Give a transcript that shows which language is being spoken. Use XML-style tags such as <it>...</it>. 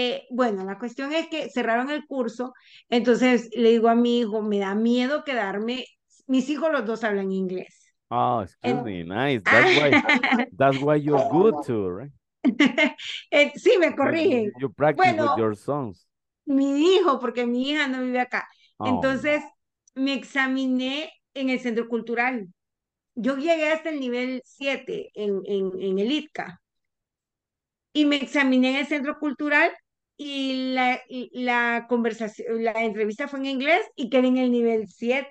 <es>Bueno, la cuestión es que cerraron el curso, entonces le digo a mi hijo, me da miedo quedarme, mis hijos los dos hablan inglés.</es> <en>Oh, excuse me, nice, that's why you're good too, right?</en> <es>Sí, me corrigen.</es> <en>You practice with your sons.</en> <es>Mi hijo, porque mi hija no vive acá. Oh. Entonces, me examiné en el centro cultural. Yo llegué hasta el nivel 7 en el ITCA. Y me examiné en el centro cultural y la conversación, la entrevista fue en inglés y quedé en el nivel 7.</es>